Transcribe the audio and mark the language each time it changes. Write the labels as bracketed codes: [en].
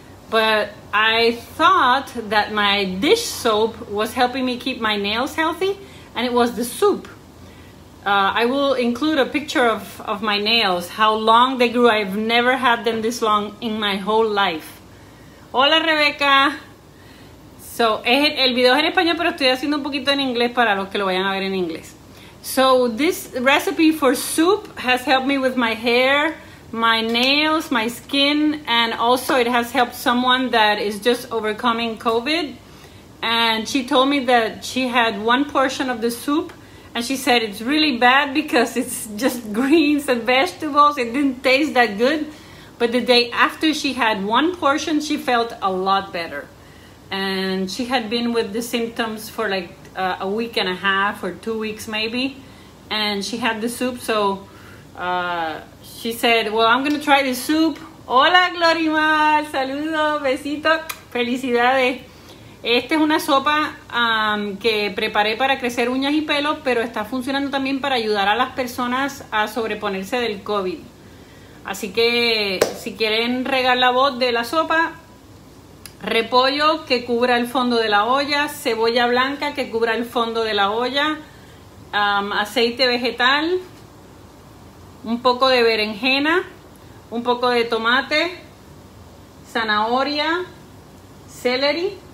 [en] But I thought that my dish soap was helping me keep my nails healthy, and it was the soup. I will include a picture of my nails, how long they grew. I've never had them this long in my whole life. [es] Hola, Rebeca. So, el video es en español, pero estoy haciendo un poquito en inglés para los que lo vayan a ver en inglés. [en] So, this recipe for soup has helped me with my hair, my nails, my skin, and also it has helped someone that is just overcoming COVID. And she told me that she had one portion of the soup, and she said it's really bad because it's just greens and vegetables. It didn't taste that good. But the day after she had one portion, she felt a lot better. And she had been with the symptoms for like a week and a half or 2 weeks maybe. And she had the soup, so she said, well, I'm gonna try the soup. [es] Hola, Glorimar, saludos, besitos, felicidades. Esta es una sopa que preparé para crecer uñas y pelo, pero está funcionando también para ayudar a las personas a sobreponerse del COVID. Así que si quieren regar la voz de la sopa, repollo que cubra el fondo de la olla, cebolla blanca que cubra el fondo de la olla, aceite vegetal, un poco de berenjena, un poco de tomate, zanahoria, celery.